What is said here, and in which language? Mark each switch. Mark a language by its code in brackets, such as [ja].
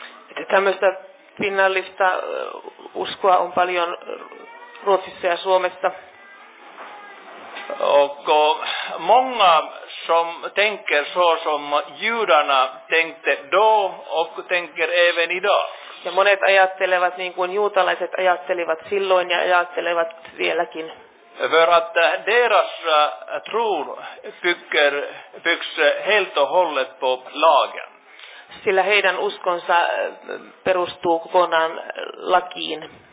[fi] Että tämmöistä finnallista uskoa on paljon Ruotsissa ja Suomessa. [sv] Och många som tänker så som judarna tänkte då och tänker även idag. [fi] Ja monet ajattelevat niin kuin juutalaiset ajattelivat silloin ja ajattelevat vieläkin. [sv] För att deras tro byggs helt och hållet på lagen. [fi] Sillä heidän uskonsa perustuu kokonaan lakiin.